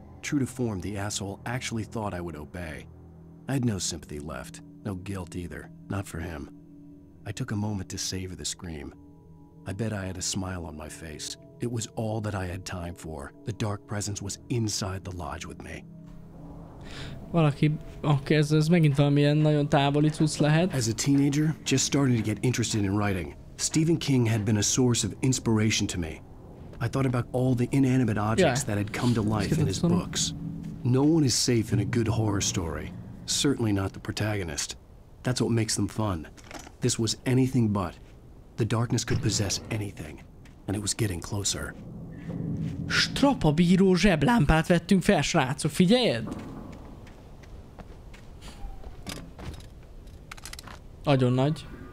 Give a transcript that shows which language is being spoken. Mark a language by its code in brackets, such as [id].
[en] True to form, the asshole actually thought I would obey. I had no sympathy left, no guilt either, not for him. I took a moment to savor the scream. I bet I had a smile on my face. It was all that I had time for. The dark presence was inside the lodge with me. [hu] Valaki, oké, ez megint valamilyen nagyon távoli cucc lehet. [en] As a teenager, just starting to get interested in writing, Stephen King had been a source of inspiration to me. I thought about all the inanimate objects that had come to life in his books. No one is safe in a good horror story, certainly not the protagonist. That's what makes them fun. This was anything but. The darkness could possess anything, and it was getting closer. [hu] Strapabíró zseblámpát vettünk fel, srácok, figyeljed! Nagyon nagy.